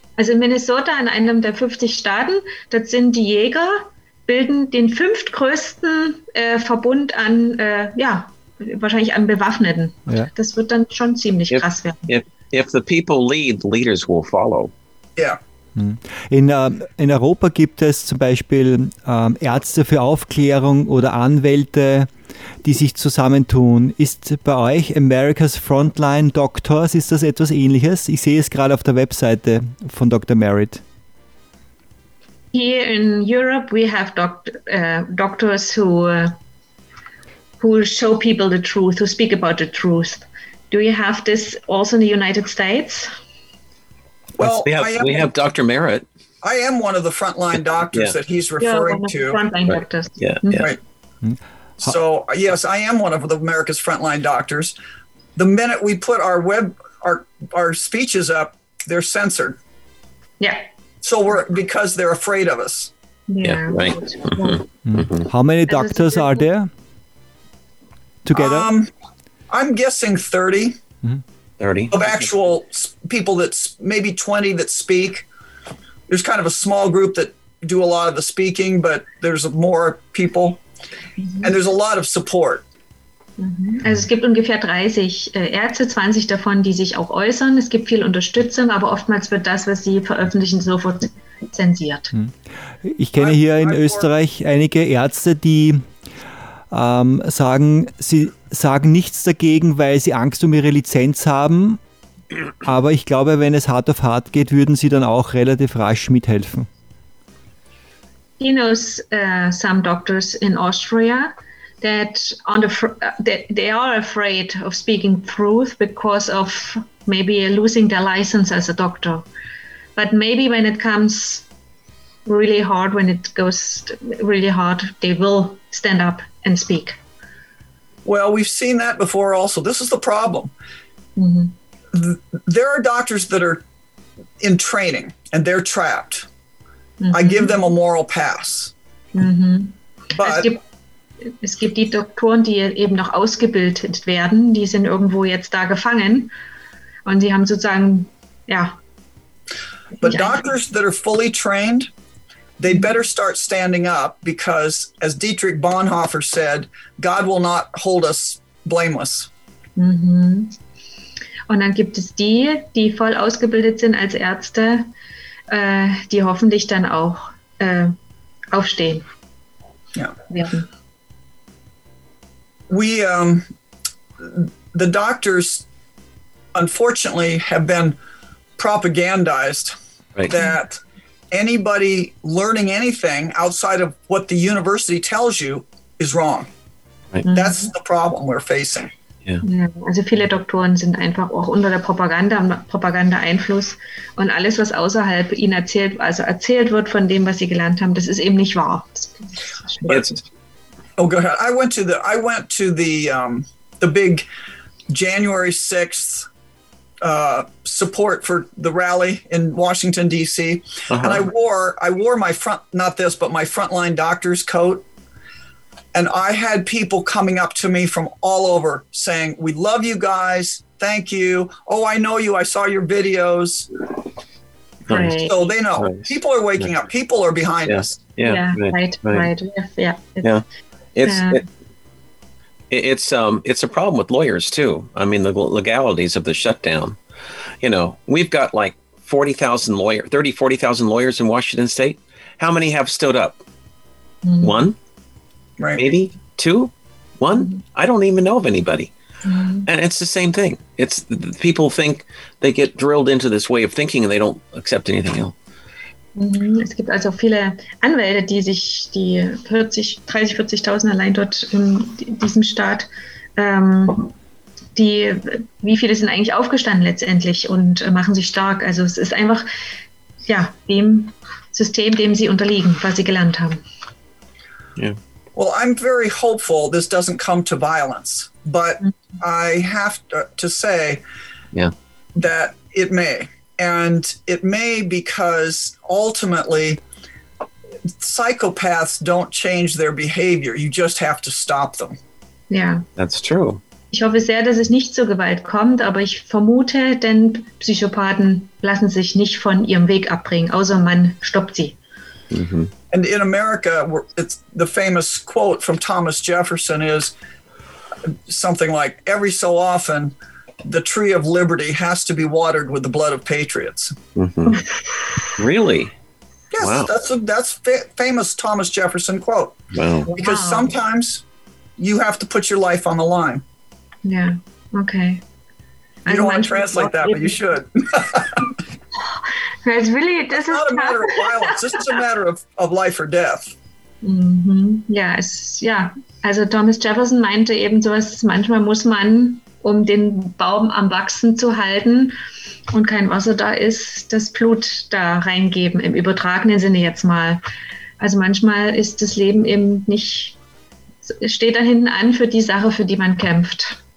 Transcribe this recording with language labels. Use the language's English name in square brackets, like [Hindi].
[German] Also in Minnesota, in einem der 50 Staaten, das sind die Jäger, bilden den fünftgrößten Verbund an, wahrscheinlich an Bewaffneten. Yeah. Das wird dann schon ziemlich krass werden. [English] If the people lead, the leaders will follow. Yeah. [German] In Europa gibt es zum Beispiel Ärzte für Aufklärung oder Anwälte, die sich zusammentun. Ist bei euch America's Frontline Doctors, ist das etwas Ähnliches? Ich sehe es gerade auf der Webseite von Dr. Merritt. [English] Here in Europe we have doctors who show people the truth, who speak about the truth. Do you have this also in the United States? Well, we have Dr. Merritt. I am one of the frontline doctors that he's referring to. You're one of the frontline doctors. Right. So, yes, I am one of the America's frontline doctors. The minute we put our speeches up, they're censored. Yeah. So we're, because they're afraid of us. Yeah, right. How many doctors are there together? I'm guessing 30. Mm-hmm. 30. Of actual people that's maybe 20 that speak. There's kind of a small group that do a lot of the speaking, but there's more people. Mm-hmm. And there's a lot of support. Mm-hmm. [German] Also es gibt ungefähr 30 Ärzte, 20 davon, die sich auch äußern. Es gibt viel Unterstützung, aber oftmals wird das, was sie veröffentlichen, sofort zensiert. Ich kenne hier in Österreich einige Ärzte, die sagen nichts dagegen, weil sie Angst um ihre Lizenz haben. Aber ich glaube, wenn es hart auf hart geht, würden sie dann auch relativ rasch mithelfen. [English] He knows some doctors in Austria that they are afraid of speaking truth because of maybe losing their license as a doctor. But maybe when it comes really hard, when it goes really hard, they will stand up and speak. Well, we've seen that before also. This is the problem. Mm-hmm. There are doctors that are in training and they're trapped. Mm-hmm. I give them a moral pass. [German] Mm-hmm. [English] But [German] es gibt die Doktoren, die eben noch ausgebildet werden, die sind irgendwo jetzt da gefangen und sie haben sozusagen, ja. [English] But doctors that are fully trained, they better start standing up because, as Dietrich Bonhoeffer said, God will not hold us blameless. Mm-hmm. [German] Und dann gibt es die, die voll ausgebildet sind als Ärzte, die hoffentlich dann auch aufstehen. [English] Yeah. We, the doctors, unfortunately, have been propagandized that anybody learning anything outside of what the university tells you is wrong. Right. That's the problem we're facing. Yeah. [German] Also viele Doktoren sind einfach auch unter der Propaganda Einfluss und alles, was außerhalb ihnen erzählt wird von dem, was sie gelernt haben, das ist eben nicht wahr. [English] Oh, go ahead. I went to the big January 6th support for the rally in Washington, D.C. Uh-huh. And I wore my frontline doctor's coat. And I had people coming up to me from all over saying, we love you guys. Thank you. Oh, I know you. I saw your videos. Right. So they know. Right. People are waking up. People are behind us. Yeah. Right. Yeah. It's a problem with lawyers too. I mean, the legalities of the shutdown. You know, we've got like 40,000 lawyers in Washington State. How many have stood up? Mm-hmm. One, right? Maybe two, One? I don't even know of anybody. Mm-hmm. And it's the same thing. It's people think they get drilled into this way of thinking and they don't accept anything else. [German] Es gibt also viele Anwälte, die sich die 30.000, 40.000 allein dort in diesem Staat, die, wie viele sind eigentlich aufgestanden letztendlich und machen sich stark. Also es ist einfach ja, dem System, dem sie unterliegen, was sie gelernt haben. [English] Yeah. Well, I'm very hopeful this doesn't come to violence, but I have to say that it may. And it may because ultimately psychopaths don't change their behavior. You just have to stop them. Yeah, that's true. [German] Ich hoffe sehr, dass es nicht zur Gewalt kommt, aber ich vermute, denn Psychopathen lassen sich nicht von ihrem Weg abbringen, außer man stoppt sie. [English] Mm-hmm. And in America, it's the famous quote from Thomas Jefferson is something like, every so often, the tree of liberty has to be watered with the blood of patriots. Mm-hmm. Really? Yes, wow. that's a famous Thomas Jefferson quote. Wow. Because sometimes you have to put your life on the line. Yeah, okay. You don't want to translate that, but you should. It's really, this is not a matter of violence. This is a matter of life or death. Mm-hmm. Yeah, it's, yeah. [German] Also Thomas Jefferson meinte eben sowas, manchmal muss man, um den Baum am Wachsen zu halten und kein Wasser da ist, das Blut da reingeben, im übertragenen Sinne jetzt mal. Also manchmal ist das Leben eben nicht, steht da hinten an für die Sache, für die man kämpft.